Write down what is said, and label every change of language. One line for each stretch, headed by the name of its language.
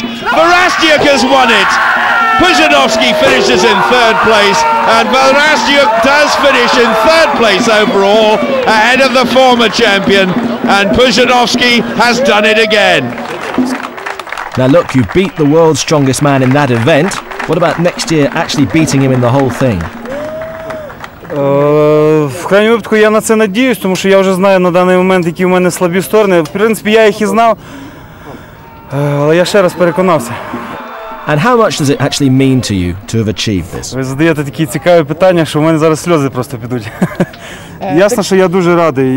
English: Verestyuk has won it. Pozhanovski finishes in third place, and Verestyuk does finish in third place overall, ahead of the former champion, and Pozhanovski has done it again. Now look, you beat the world's strongest man in that event. What about next year actually beating him in the whole thing?
Ukrainian: В крайньому випадку я на це надіюсь, тому що я вже знаю на даний момент, які у мене слабі сторони. В принципі, я їх і знав, але я ще раз переконався.
English: And how much does it actually mean to you to have achieved this?
Ukrainian: Ви задаєте такі цікаві питання, що у мене зараз сльози просто підуть. Ясно, що я дуже радий.